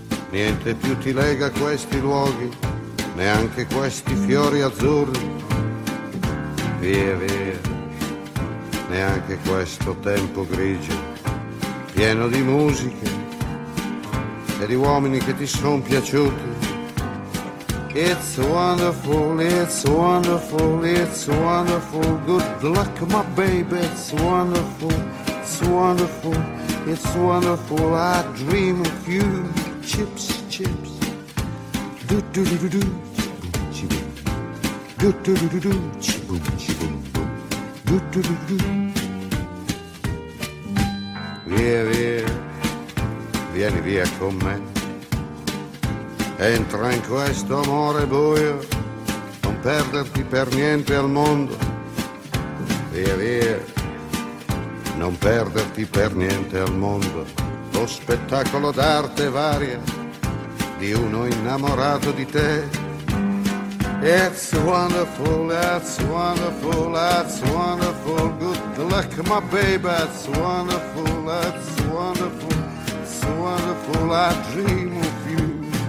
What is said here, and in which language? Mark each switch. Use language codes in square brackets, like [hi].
[it] Niente più ti lega questi luoghi, neanche questi fiori azzurri. Via via, neanche questo tempo grigio, pieno di musiche e di uomini che ti son piaciuti. [en] It's wonderful, it's wonderful, it's wonderful. Good luck, my baby, it's wonderful, it's wonderful, it's wonderful. I dream of you, chips, chips. Do-do-do-do-do, chi-boom-chi-boom. Do-do-do-do-do, chi-boom-chi-boom-boom. Do-do-do-do-do. [it] Via, via, vieni via con me. Entra in questo amore buio, non perderti per niente al mondo. Via, via, non perderti per niente al mondo. Lo spettacolo d'arte varia di uno innamorato di te. [en] It's wonderful, that's wonderful, that's wonderful. Good luck, my baby, it's wonderful, that's wonderful. It's wonderful I dream of you.